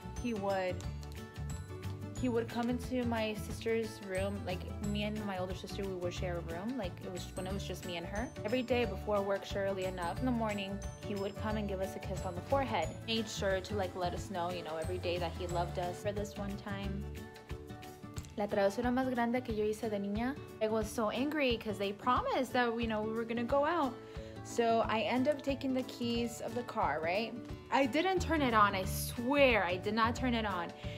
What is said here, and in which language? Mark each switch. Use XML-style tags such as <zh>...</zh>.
<en>He would come into my sister's room, like me and my older sister, we would share a room, like it was when it was just me and her. Every day before work, surely enough, in the morning, he would come and give us a kiss on the forehead. Made sure to like let us know, you know, every day that he loved us. For this one time,</en> <es>la travesura más grande que yo hice de niña.</es> <en>I was so angry because they promised that, you know, we were gonna go out. So I end up taking the keys of the car, right? I didn't turn it on, I swear, I did not turn it on.</en>